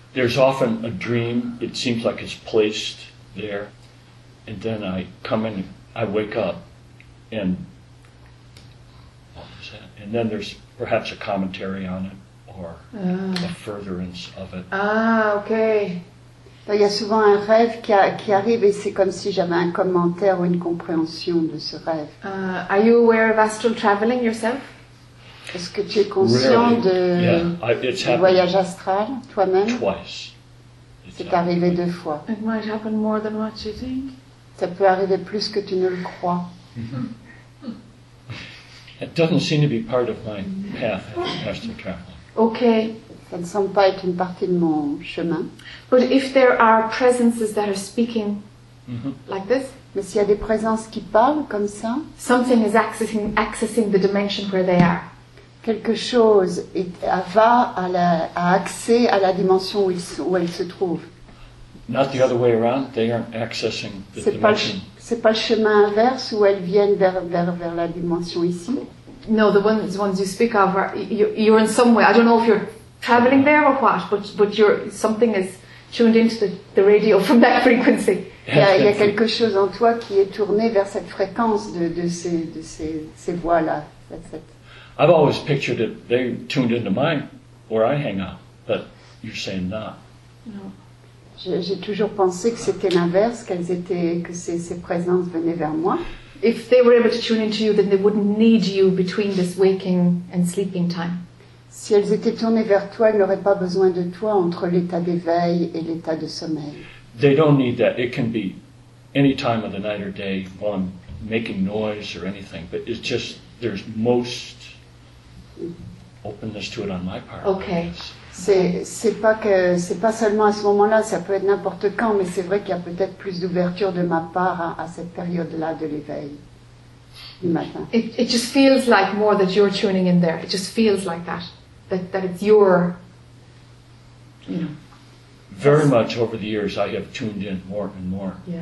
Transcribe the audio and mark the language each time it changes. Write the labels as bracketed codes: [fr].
[en] There's often a dream, it seems like it's placed there, and then I come in, I wake up, and what was that? And then there's perhaps a commentary on it, or a furtherance of it. Ah, okay. [fr] Il y a souvent un rêve qui arrive et c'est comme si j'avais un commentaire ou une compréhension de ce rêve. [en] Are you aware of astral traveling yourself? [fr] Est-ce que tu es conscient du voyage astral toi-même? [en] Twice. [fr] C'est arrivé deux fois. [en] It might happen more than what you think. [fr] Ça peut arriver plus que tu ne le crois. [en] It doesn't seem to be part of my path, astral traveling. Okay. [fr] Ça ne semble pas être une partie de mon chemin. [en] But if there are presences that are speaking like this, [fr] mais s'il y a des présences qui parlent comme ça, [en] something is accessing the dimension where they are. [fr] Quelque chose va à accès à la dimension où elles se trouvent. [en] Not the other way around. They aren't accessing the dimension. [fr] C'est pas le chemin inverse où elles viennent vers la dimension ici. [en] No, the ones you speak of are you're in some way. I don't know if you're traveling there or what, but you're, something is tuned into the radio from that frequency. [fr] Il y a quelque chose en toi qui est tourné vers cette fréquence de ces voix là. [en] I've always pictured it. They tuned into mine where I hang out, but you're saying not. No. [fr] J'ai toujours pensé que c'était l'inverse, que ces présences venaient vers moi. [en] If they were able to tune into you, then they wouldn't need you between this waking and sleeping time. [fr] Si elles étaient tournées vers toi, elles n'auraient pas besoin de toi entre l'état d'éveil et l'état de sommeil. [en] They don't need that. It can be any time of the night or day while I'm making noise or anything. But it's just, there's most openness to it on my part. Okay. [fr] C'est pas seulement à ce moment-là, ça peut être n'importe quand, mais c'est vrai qu'il y a peut-être plus d'ouverture de ma part à cette période-là de l'éveil. [en] It just feels like more that you're tuning in there. It just feels like that it's your, Very much over the years, I have tuned in more and more.